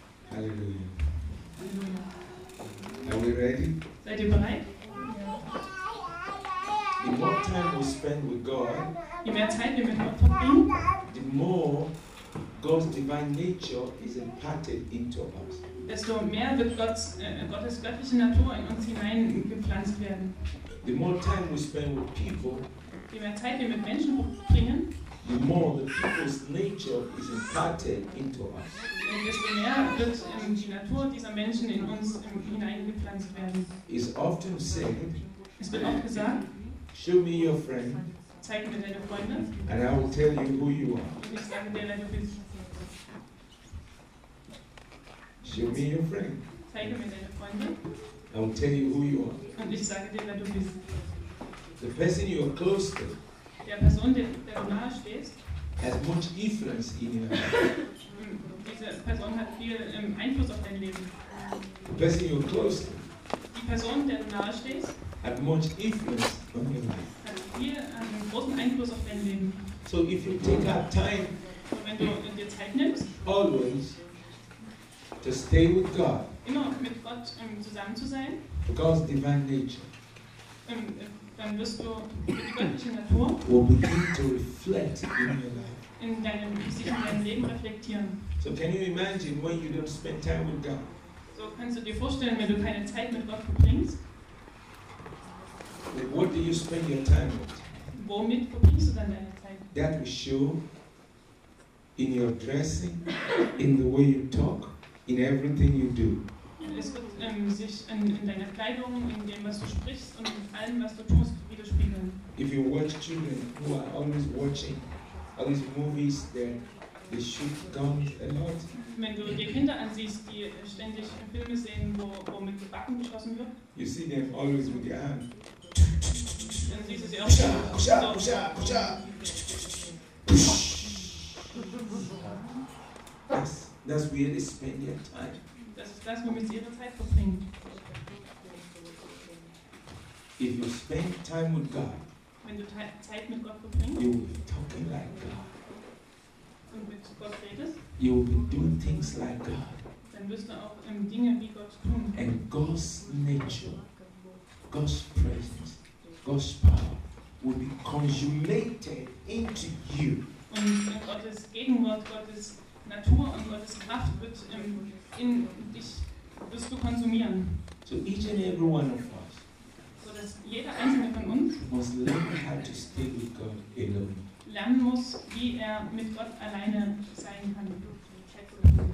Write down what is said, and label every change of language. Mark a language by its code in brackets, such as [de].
[en] Hallelujah. Are we ready? The more time we spend with God, the more God's divine nature is imparted into us. [de] Desto mehr wird Gottes göttliche Natur in uns hineingepflanzt werden. [en] The more time we spend with people, [de] je mehr Zeit wir mit Menschen verbringen, [en] the more the people's nature is imparted into us. [de] Desto mehr wird die Natur dieser Menschen in uns hineingepflanzt werden. [en] It's often said, [de] es wird oft gesagt, [en] show me your friend, [de] zeig mir deine Freunde, [en] and I will tell you who you are. [de] Und ich sage dir, wer du bist. [en] Show me your friend. [de] Zeige mir deine Freunde. [en] I will tell you who you are. [de] Und ich sage dir, wer du bist. [en] The person you are close to, [de] der Person, der du nahe stehst, [en] has much influence in your life. [de] Diese Person hat viel Einfluss auf dein Leben. [en] The person you are close to, [de] die Person, der du nahe stehst, [en] has much influence on your life. [de] Hat viel großen Einfluss auf dein Leben. [en] So if you take up time, [de] wenn du dir Zeit nimmst, [en] always to stay with God, [de] immer mit Gott zusammen zu sein, [en] God's divine nature, [de] dann wirst du die göttliche Natur [en] will begin to reflect in your life. [de] In deinem, sich in deinem Leben reflektieren. [en] So can you imagine when you don't spend time with God? [de] So kannst du dir vorstellen, wenn du keine Zeit mit Gott verbringst? [en] Well, what do you spend your time with? [de] Womit verbringst du dann deine Zeit? [en] That will show in your dressing, in the way you talk, in everything you do. [de] Es wird sich in deiner Kleidung, in dem, was du sprichst und in allem, was du tust, widerspiegeln. [en] If you watch children who are always watching all these movies, then they shoot guns a lot. [de] Wenn du dir Kinder ansiehst, die ständig Filme sehen, wo mit Waffen geschossen wird, [en] you see them always with your hand. [de] Dann siehst du sie auch [en] Push. That's where they spend their time. [de] Das ist das, womit sie ihre Zeit verbringen. [en] If you spend time with God, [de] wenn du Zeit mit Gott verbringst, [en] you will be talking like God. [de] Und mit Gott redest, [en] you will be doing things like God. [de] Dann wirst du auch Dinge wie Gott tun. [en] And God's nature, God's presence, God's power will be consummated into you. [de] Und Gottes Gegenwart, Gottes Natur und Gottes Kraft wird in dich, wirst du konsumieren. [en] So each and every one of us, [de] so dass jeder einzelne von uns, [en] must learn how to stay with God alone. [de] Lernen muss, wie er mit Gott alleine sein kann.